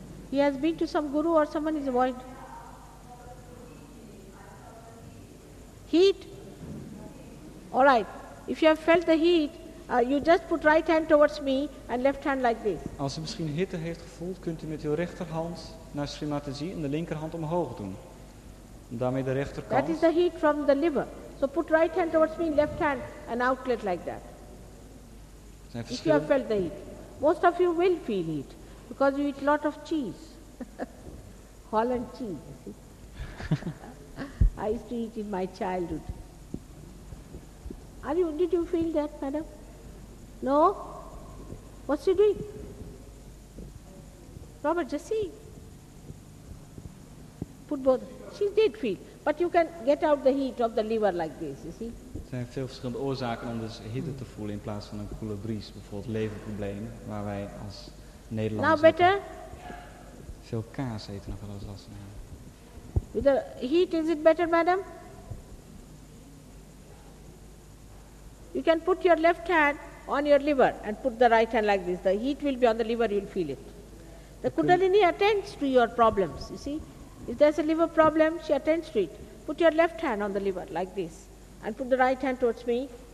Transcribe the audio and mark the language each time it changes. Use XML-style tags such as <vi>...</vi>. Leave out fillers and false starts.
<en>He has been to some guru or someone is avoid. Heat? Alright. If you have felt the heat, you just put right hand towards me and left hand like this.</en> <nl>Als u misschien hitte heeft gevoeld, kunt u met uw rechterhand naar Shri Mataji en de linkerhand omhoog doen. Daarmee de rechterkant.</nl> <en>That is the heat from the liver. So put right hand towards me, left hand, and outlet like that. If you have felt the heat. Most of you will feel heat because you eat a lot of cheese. Holland cheese, you see. I used to eat in my childhood. Did you feel that, madam? No? What's she doing? Robert, just see. Put both. She did feel, but you can get out the heat of the liver like this, you see.</en> <nl>Er zijn veel verschillende oorzaken om dus hitte te voelen in plaats van een koele bries, bijvoorbeeld leverprobleem, waar wij als Nederlanders.</nl> <en>Now better?</en> <nl>Veel kaas eten nog wel eens last van hebben.</nl> <en>With the heat, is it better, madam? You can put your left hand on your liver and put the right hand like this. The heat will be on the liver, you'll feel it. The Kundalini attends to your problems, you see. If there's a liver problem, she attends to it. Put your left hand on the liver, like this, and put the right hand towards me.</en>